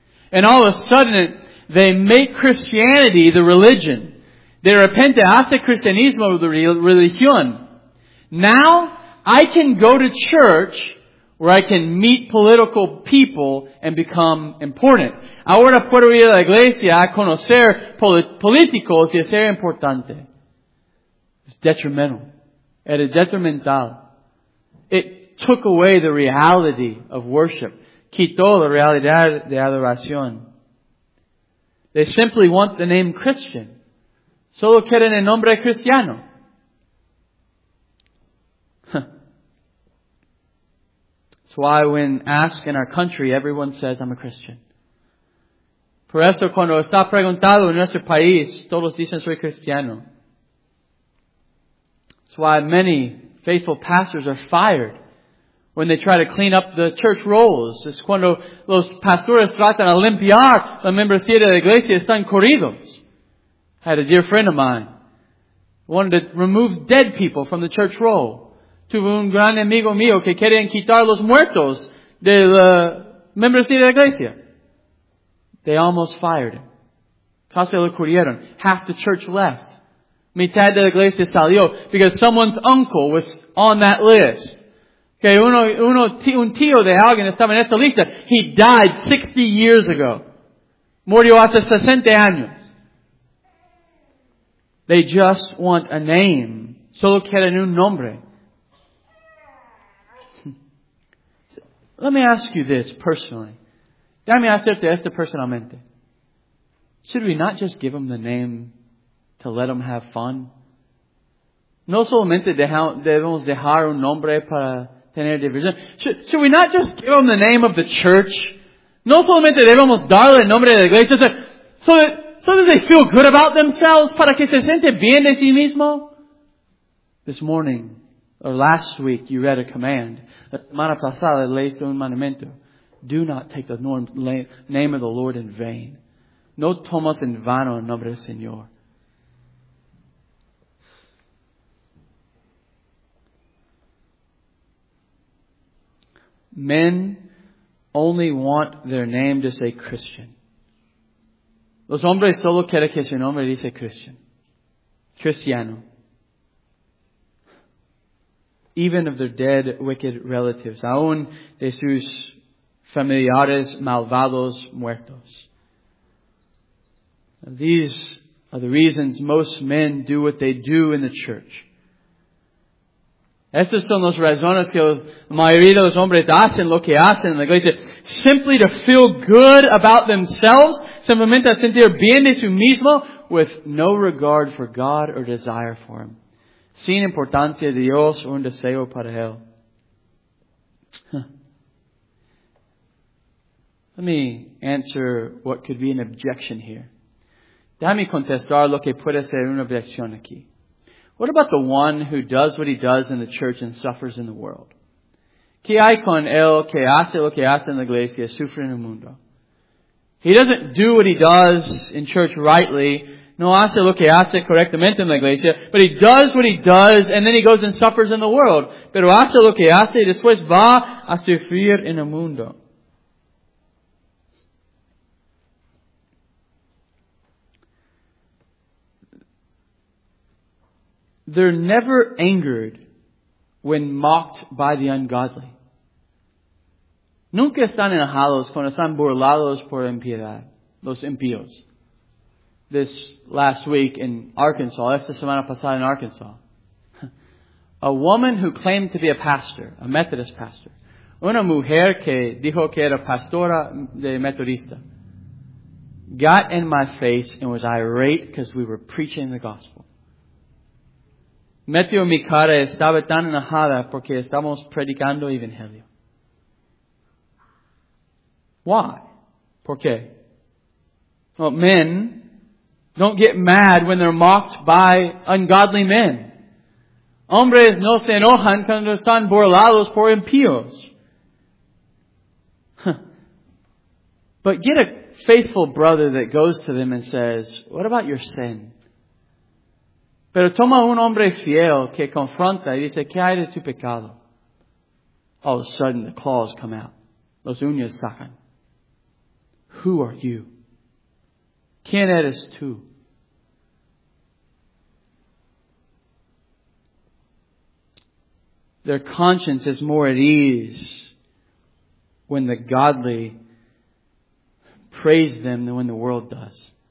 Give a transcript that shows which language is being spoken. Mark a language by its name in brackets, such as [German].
[English] And all of a sudden, they make Christianity the religion. [Spanish] De repente, hace cristianismo de religión. [English] Now, I can go to church where I can meet political people and become important. [Spanish] Ahora puedo ir a la iglesia a conocer políticos y ser importante. [English] It's detrimental. [Spanish] Era detrimental. [English] It took away the reality of worship. [Spanish] Quitó la realidad de adoración. [English] They simply want the name Christian. [Spanish] Solo quieren el nombre cristiano. [English] That's why when asked in our country, everyone says, I'm a Christian. [Spanish] Por eso cuando está preguntado en nuestro país, todos dicen soy cristiano. [English] That's why many faithful pastors are fired when they try to clean up the church rolls. [Spanish] Es cuando los pastores tratan de limpiar la membresía de la iglesia, están corridos. [English] I had a dear friend of mine wanted to remove dead people from the church roll. [Spanish] Tuve un gran amigo mío que querían quitar los muertos de la membresía de la iglesia. [English] They almost fired him. [Spanish] Casi lo corrieron. [English] Half the church left. [Spanish] Mitad de la iglesia salió [English] because someone's uncle was on that list. [Spanish] Okay, un tío de alguien estaba en esta lista. [English] He died 60 years ago. [Spanish] Murió hace 60 años. [English] They just want a name. [Spanish] Solo quieren un nombre. [English] Let me ask you this personally. [Spanish] Déjame hacerte esto personalmente. [English] Should we not just give them the name to let them have fun? [Spanish] No solamente debemos dejar un nombre para tener diversión. [English] Should we not just give them the name of the church? [Spanish] No solamente debemos darle el nombre de la iglesia [English] so that they feel good about themselves, [Spanish] para que se siente bien de sí mismo. [English] This morning, or last week, you read a command. [Spanish] La semana pasada leíste un mandamiento. [English] Do not take the name of the Lord in vain. [Spanish] No tomas en vano el nombre del Señor. [English] Men only want their name to say Christian. [Spanish] Los hombres solo quieren que su nombre dice Christian. Cristiano. [English] Even of their dead, wicked relatives. [Spanish] Aún de sus familiares malvados muertos. [English] These are the reasons most men do what they do in the church. [Spanish] Estas son las razones que la mayoría de los hombres hacen lo que hacen en la iglesia. [English] Simply to feel good about themselves. [Spanish] Simplemente a sentir bien de su mismo. [English] With no regard for God or desire for Him. [Spanish] Sin importancia de Dios o un deseo para Él. [English] Let me answer what could be an objection here. [Spanish] Déjame contestar lo que puede ser una objeción aquí. [English] What about the one who does what he does in the church and suffers in the world? [Spanish] ¿Qué hay con él que hace lo que hace en la iglesia, sufre en el mundo? [English] He doesn't do what he does in church rightly, [Spanish] no hace lo que hace correctamente en la iglesia, [English] but he does what he does and then he goes and suffers in the world. [Spanish] Pero hace lo que hace y después va a sufrir en el mundo. [English] They're never angered when mocked by the ungodly. [Spanish] Nunca están enojados cuando están burlados por impiedad, los impíos. [English] This last week in Arkansas, [Spanish] esta semana pasada [English] in Arkansas, a woman who claimed to be a pastor, a Methodist pastor, [Spanish] una mujer que dijo que era pastora de Metodista, [English] got in my face and was irate because we were preaching the gospel. [Spanish] Metió mi cara, estaba tan enojada porque estamos predicando el Evangelio. Why? ¿Por qué? [English] Well, men don't get mad when they're mocked by ungodly men. [Spanish] Hombres no se enojan cuando están burlados por impíos. [English] But get a faithful brother that goes to them and says, what about your sin? [Spanish] Pero toma un hombre fiel que confronta y dice, ¿qué hay de tu pecado? [English] All of a sudden, the claws come out. [Spanish] Los uñas sacan. [English] Who are you? [Spanish] ¿Quién eres tú? [English] Their conscience is more at ease when the godly praise them than when the world does.